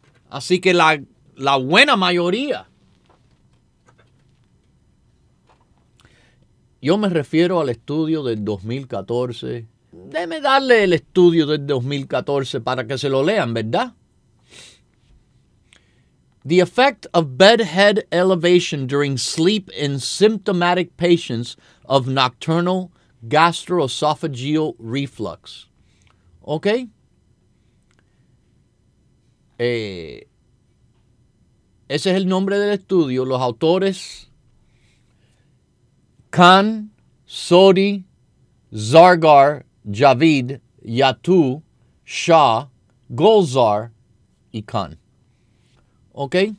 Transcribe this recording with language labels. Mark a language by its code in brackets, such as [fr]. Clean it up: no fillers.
[es] Así que la buena mayoría. Yo me refiero al estudio del 2014. Deme darle el estudio del 2014 para que se lo lean, ¿verdad? [en] The effect of bedhead elevation during sleep in symptomatic patients of nocturnal gastroesophageal reflux. [es] ¿Ok? Ese es el nombre del estudio. Los autores: Khan, Sodi, Zargar, Javid, Yatou, Shah, Golzar y Khan. ¿Ok?